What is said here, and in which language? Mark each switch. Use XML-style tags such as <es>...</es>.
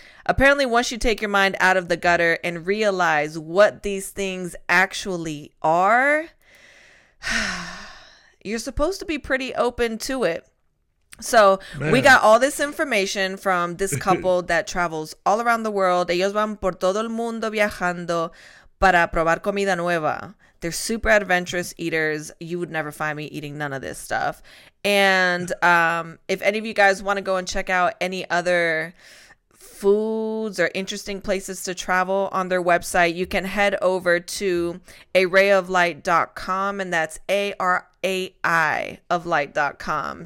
<en>Apparently, once you take your mind out of the gutter and realize what these things actually are, you're supposed to be pretty open to it. So we got all this information from this couple that travels all around the world.</en> <es>Ellos van por todo el mundo viajando para probar comida nueva.</es> <en>They're super adventurous eaters. You would never find me eating none of this stuff. And if any of you guys want to go and check out any other foods or interesting places to travel on their website, you can head over to arrayoflight.com, and that's A-R-A-I of light.com.</en>